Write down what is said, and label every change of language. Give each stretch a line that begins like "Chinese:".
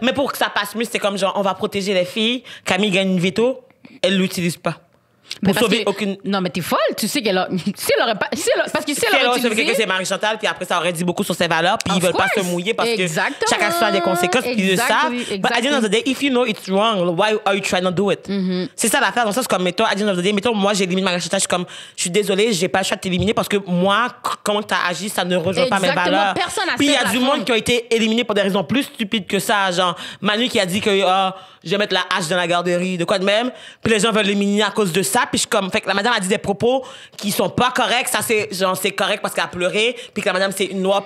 French: Mais pour que ça passe mieux, c'est comme genre, on va protéger les filles. Camille gagne une veto, elle l'utilise pas. Pour sauver aucune. Non, mais t'es folle, tu sais qu'elle a. Si elle aurait pas. Si elle... Parce que si elle aurait utilisé... que c'est Marie-Chantal, puis après ça aurait dit beaucoup sur ses valeurs, puis ils veulent pas se mouiller parce que. Exactement. Chaque action a des conséquences, puis ils le savent. Mais à l'
English: end of the day, if you know it's wrong, why are you trying to do it? Mm-hmm.
French: C'est ça l'affaire. Dans le sens, comme, mettons, à l'
English: end of the day,
French: mettons, moi, j'élimine Marie-Chantal, je suis comme, je suis désolée, j'ai pas le choix de t'éliminer parce que moi, comment t'as agi, ça ne rejoint exactement. Pas mes valeurs. Personne puis il y a du monde qui a été éliminé pour des raisons plus stupides que ça. Genre, Manu qui a dit que, oh, je vais mettre la hache dans la garderie, de quoi de même. Puis les gens veulent l'éliminer à cause de ça. Puis je comme, fait que la madame a dit des propos qui sont pas corrects. Ça, c'est genre, c'est correct parce qu'elle a pleuré. Puis que la madame, c'est une noire.